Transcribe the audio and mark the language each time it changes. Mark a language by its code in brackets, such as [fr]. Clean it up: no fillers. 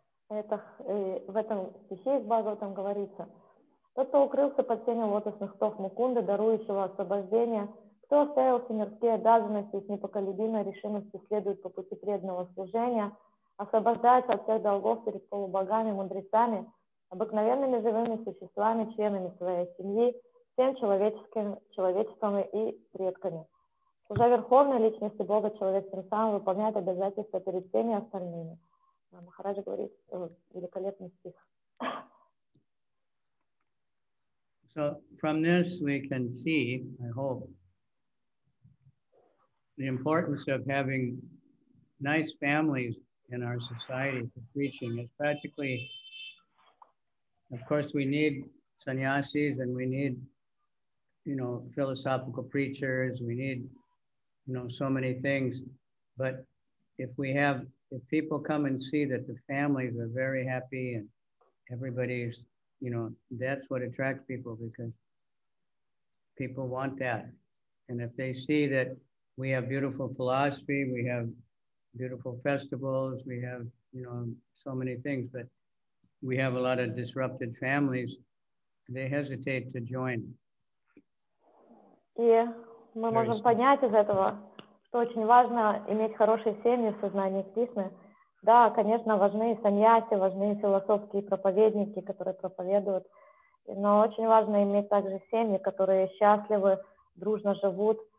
[ru] Это в этом стихе из Бхагаватам говорится. Тот, кто укрылся под тенью лотосных стоп Мукунды, дарующего освобождения, кто оставил все мирские обязанности и с непоколебимой решимостью следует по пути преданного служения, освобождается от всех долгов перед полубогами, мудрецами, обыкновенными живыми существами, членами своей семьи, всем человечеством и предками. Служа верховной личности Бога, человек тем самым выполняет обязательства перед всеми остальными. Махараджа говорит великолепный стих. [en] So from this we can see, I hope, the importance of having nice families in our society for preaching. It's practically, of course, we need sannyasis and we need, you know, philosophical preachers. We need, you know, so many things. But if we have, if people come and see that the families are very happy and everybody's, you know, that's what attracts people, because people want that. And if they see that we have beautiful philosophy, we have beautiful festivals, we have, you know, so many things, but we have a lot of disrupted families, they hesitate to join. [ru] И мы можем понять из этого, что очень важно иметь хорошие семьи в сознании Кришны. Да, конечно, важны и саньяси, важны и философские проповедники, которые проповедуют. Но очень важно иметь также семьи, которые счастливы, дружно живут.